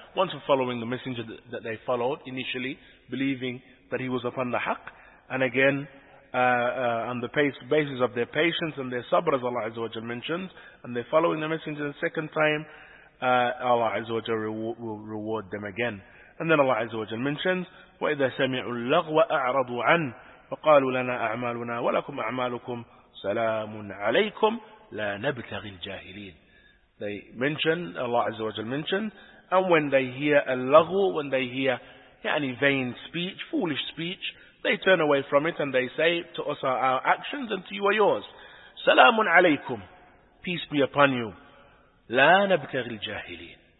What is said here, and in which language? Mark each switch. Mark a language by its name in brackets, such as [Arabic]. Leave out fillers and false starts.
[English] Once for following the messenger that they followed initially, believing that he was upon the haqq. And again, on the basis of their patience and their sabr, as Allah Azza wa Jal mentions, and they're following the messenger the second time, Allah Azza wa Jal will reward them again. And then Allah Azza wa Jal mentions, [Arabic] وَإِذَا سَمِعُوا اللَّغْوَ أَعْرَضُوا عَنْهُ فَقَالُوا لَنَا أَعْمَالُنَا وَلَكُمْ أَعْمَالُكُمْ سَلَامٌ عَلَيْكُمْ لَا نَبْتَغِي الْجَاهِلِينَ. [English] They mention, Allah Azza wa Jal mentioned, and when they hear al-laghu, when they hear any vain speech, foolish speech, they turn away from it and they say, to us are our actions and to you are yours. Salamun alaykum. peace be upon you. [Arabic] لا نبتغي الجاهلين.